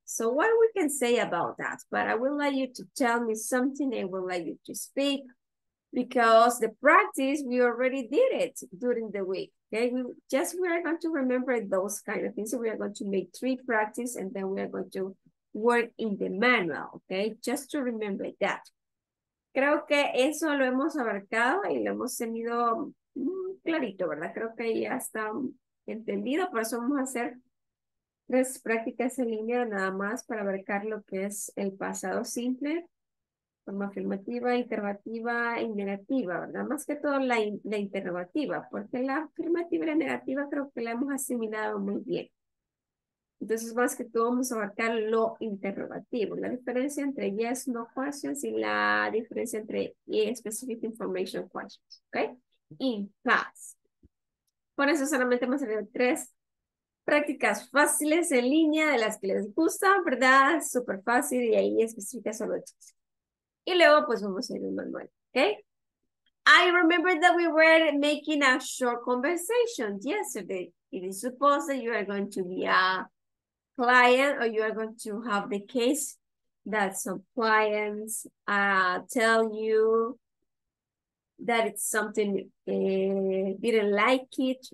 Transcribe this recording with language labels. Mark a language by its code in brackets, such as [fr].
[en] So what we can say about that? But I will let you to tell me something. I will let you to speak, because the practice, we already did it during the week. Okay, we are going to remember those kind of things. So we are going to make three practice, and then we are going to work in the manual, okay? Just to remember that. [es] Creo que eso lo hemos abarcado y lo hemos tenido clarito, ¿verdad? Creo que ya está entendido. Por eso vamos a hacer tres prácticas en línea nada más para abarcar lo que es el pasado simple, forma afirmativa, interrogativa y negativa, ¿verdad? Más que todo la interrogativa, porque la afirmativa y la negativa creo que la hemos asimilado muy bien. Entonces, más que todo, vamos a abarcar lo interrogativo. La diferencia entre yes, no questions y la diferencia entre specific information questions. ¿Ok? [en] In past. [es] Por eso solamente vamos a tener tres prácticas fáciles en línea de las que les gustan, ¿verdad? Súper fácil y ahí específica solo chicos. Y luego, pues, vamos a ir un manual. ¿Ok? [en] I remember that we were making a short conversation yesterday. It is supposed that you are going to be a client, or you are going to have the case that some clients tell you that it's something didn't like it.